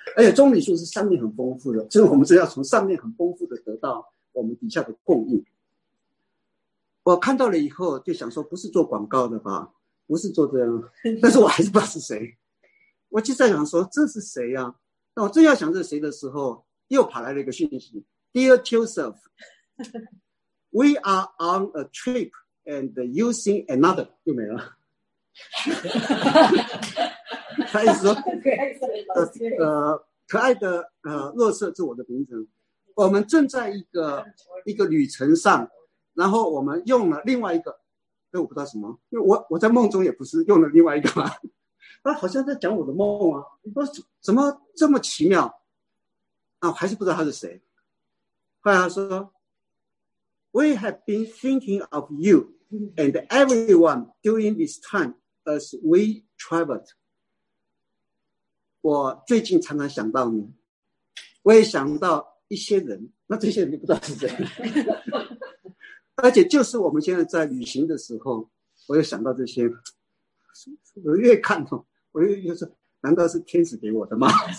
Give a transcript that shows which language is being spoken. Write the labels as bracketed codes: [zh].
[zh] 而且棕榈树是上面很丰富的，所以我们只要从上面很丰富的得到我们底下的供应。我看到了以后就想说，不是做广告的吧，不是做这样，但是我还是不知道是谁。我就在想说这是谁啊，那我正要想这是谁的时候，又跑来了一个讯息。 [en] Dear Joseph, We are on a trip and using another. [zh] 又没了。他意思说可爱的若瑟是我的名字。我们正在一个旅程上，然后我们用了另外一个所以我不知道什么，因为 我在梦中也不是用了另外一个嘛，他好像在讲我的梦啊，说怎么这么奇妙啊，我还是不知道他是谁。 [en] 后来他说 We have been thinking of you and everyone during this time as we traveled. [zh] 我最近常常想到你，我也想到一些人，那这些人你不知道是谁。而且就是我们现在在旅行的时候，我又想到这些，我越看哦，我又就说，难道是天使给我的吗？